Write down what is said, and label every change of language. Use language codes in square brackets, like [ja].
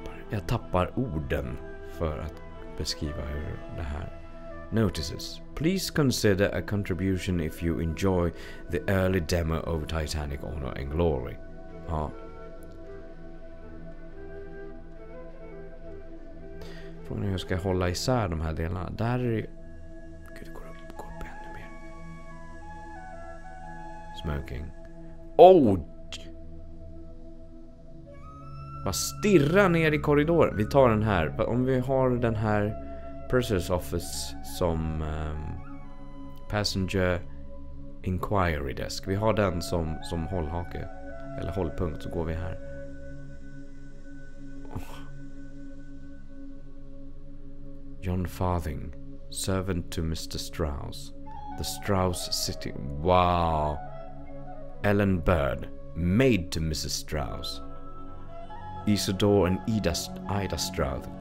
[sv] Jag tappar orden för att beskriva hur det här... [en] Notices. Please consider a contribution if you enjoy the early demo of Titanic Honor and Glory. [sv] Ja. Frågan är hur jag ska hålla isär de här delarna. Där är det... Gud, det går upp ännu mer. [en] Smoking. Oh! [sv] Bara stirra ner i korridoren. Vi tar den här. Om vi har den här Purser's Office som Passenger Inquiry Desk. Vi har den som hållhake. Eller hållpunkt, så går vi här. Oh. [en] John Farthing, servant to Mr. Strauss. The Strauss City. Wow. Ellen Bird, maid to Mrs. Strauss. Isidore and Ida Strauss,